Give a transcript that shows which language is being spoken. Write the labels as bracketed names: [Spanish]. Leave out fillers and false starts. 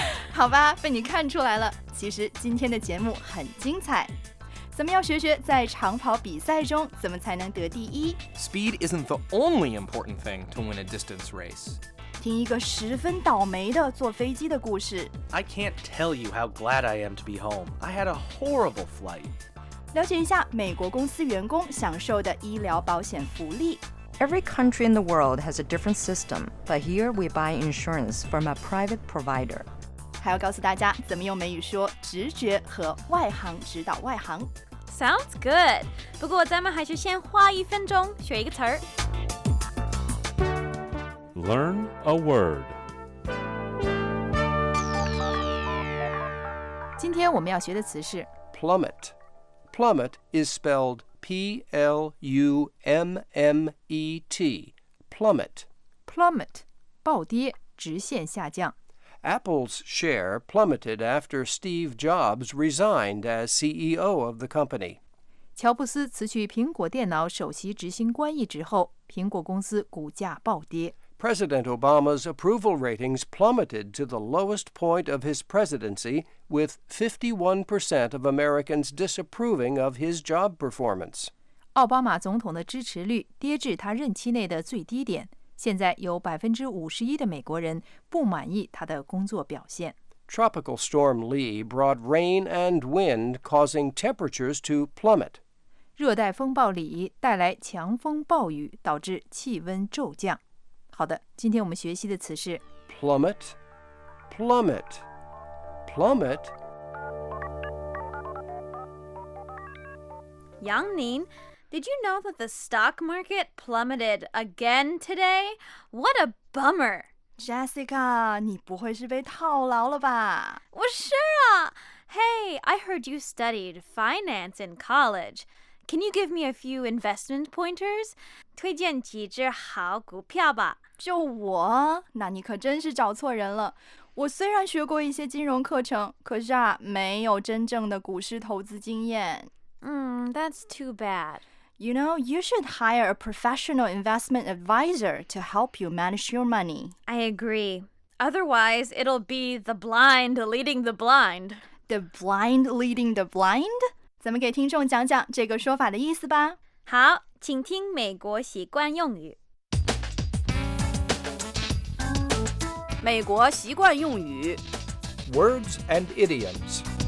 [Chinese] 好吧，被你看出来了。其实今天的节目很精彩，咱们要学学在长跑比赛中怎么才能得第一。 [English] Speed isn't the only important thing to win a distance race. [Chinese] 听一个十分倒霉的坐飞机的故事。 [English] I can't tell you how glad I am to be home. I had a horrible flight. [Chinese] 了解一下美国公司员工享受的医疗保险福利。 [English] Every country in the world has a different system, but here we buy insurance from a private provider. [Chinese] 还要告诉大家怎么用美语说直觉和外行指导外行。 [English] Sounds good. [Chinese] 不过咱们还是先花一分钟学一个词儿。 [English] Learn a word. [Chinese] 今天我们要学的词是 [English] plummet. Plummet is spelled P-L-U-M-M-E-T. Plummet. [Chinese] Plummet, 暴跌，直线下降。 [English] Apple's share plummeted after Steve Jobs resigned as CEO of the company. [Chinese] 乔布斯辞去苹果电脑首席执行官一职后，苹果公司股价暴跌。 [English] President Obama's approval ratings plummeted to the lowest point of his presidency, with 51% of Americans disapproving of his job performance. [Chinese] 奥巴马总统的支持率跌至他任期内的最低点，现在有 51% 的美国人不满意他的工作表现。 [English] Tropical Storm Lee brought rain and wind, causing temperatures to plummet. [Chinese] 热带风暴里带来强风暴雨，导致气温骤降。好的，今天我们学习的词是 [English] plummet, plummet, plummet. 杨宁， did you know that the stock market plummeted again today? What a bummer! [Chinese] Jessica, 你不会是被套牢了吧？我是啊。 [English] Hey, I heard you studied finance in college. Can you give me a few investment pointers? [Chinese] 推荐几只好股票吧。就我？那你可真是找错人了。我虽然学过一些金融课程，可是啊，没有真正的股市投资经验。 [English] That's too bad. You know, you should hire a professional investment advisor to help you manage your money. I agree. Otherwise, it'll be the blind leading the blind. The blind leading the blind? [Chinese] 咱们给听众讲讲这个说法的意思吧。好，请听美国习惯用语。美国习惯用语。 [English] Words and idioms.